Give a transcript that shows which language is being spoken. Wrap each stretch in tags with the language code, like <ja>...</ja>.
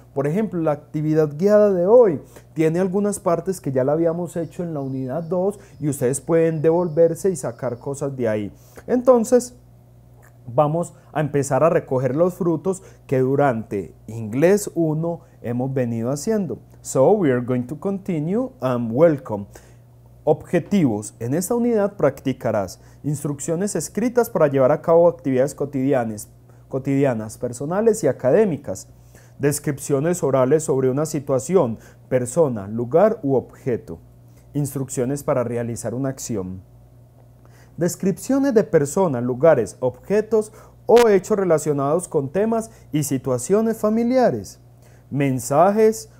<es>Por ejemplo, la actividad guiada de hoy tiene algunas partes que ya la habíamos hecho en la unidad 2 y ustedes pueden devolverse y sacar cosas de ahí. Entonces vamos a empezar a recoger los frutos que durante Inglés 1 hemos venido haciendo.</es> <en>So we are going to continue and welcome.</en> <es>Objetivos. En esta unidad practicarás instrucciones escritas para llevar a cabo actividades cotidianas, personales y académicas. Descripciones orales sobre una situación, persona, lugar u objeto. Instrucciones para realizar una acción. Descripciones de personas, lugares, objetos o hechos relacionados con temas y situaciones familiares. Mensajes,</es>